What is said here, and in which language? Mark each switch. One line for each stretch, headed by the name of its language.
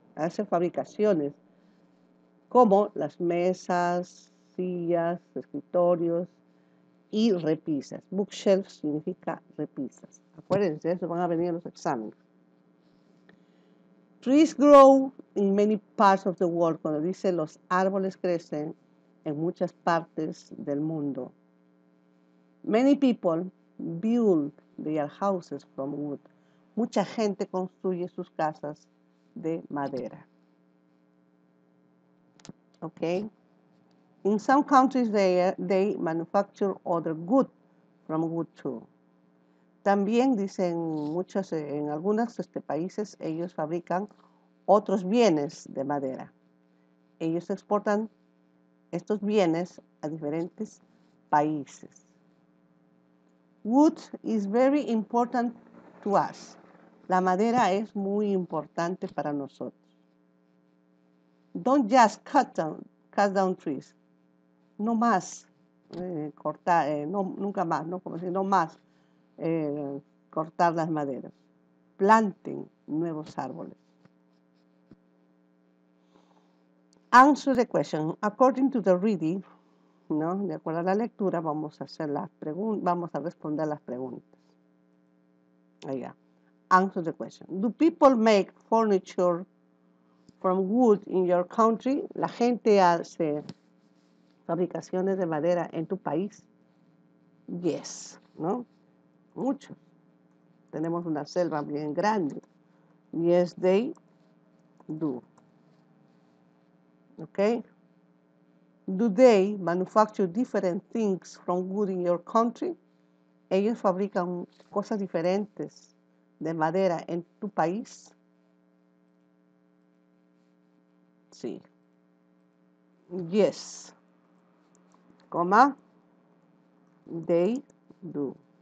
Spanish: Hace fabricaciones como las mesas, sillas, escritorios y repisas. Bookshelf significa repisas. Acuérdense, eso van a venir en los exámenes.
English: Trees grow in many parts of the world.
Spanish: Cuando dice los árboles crecen en muchas partes del mundo.
English: Many people build their houses from wood.
Spanish: Mucha gente construye sus casas de madera.
English: Okay. In some countries they manufacture other goods from wood too.
Spanish: También dicen muchos en algunos países ellos fabrican otros bienes de madera. Ellos exportan estos bienes a diferentes países.
English: Wood is very important to us.
Spanish: La madera es muy importante para nosotros.
English: Don't just cut down trees.
Spanish: No más cortar, no, nunca más, ¿no? Como decir, no más cortar las maderas. Planten nuevos árboles.
English: Answer the question. According to the reading, ¿no?
Spanish: De acuerdo a la lectura, vamos a hacer las preguntas, vamos a responder las preguntas. Allá.
English: Answer the question. Do people make furniture from wood in your country?
Spanish: La gente hace fabricaciones de madera en tu país.
English: Yes,
Spanish: ¿no? Mucho. Tenemos una selva bien grande.
English: Yes, they do. Okay. Do they manufacture different things from wood in your country?
Spanish: Ellos fabrican cosas diferentes de madera en tu país. Sí.
English: Yes. Comma. They do.